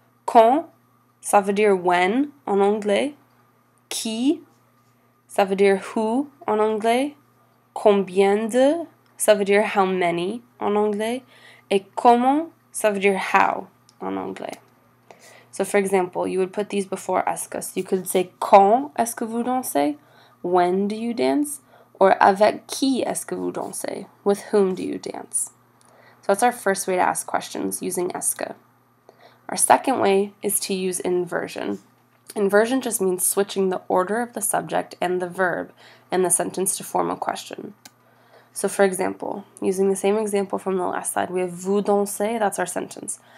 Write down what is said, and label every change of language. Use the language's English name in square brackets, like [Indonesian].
[French] Quand, ça veut dire when en anglais. Qui, ça veut dire who en anglais. Combien de, ça veut dire [English] how many [French] en anglais. Et comment, ça veut dire how en anglais. [English] So for example, you would put these before est-ce. So you could say [French] quand est-ce que vous dansez? [English] When do you dance? Or [French] avec qui est-ce que vous dansez? [English] With whom do you dance? So that's our first way to ask questions, using est-ce. Our second way is to use inversion. Inversion just means switching the order of the subject and the verb in the sentence to form a question. So for example, using the same example from the last slide, we have [French] vous dansez, [English] that's our sentence.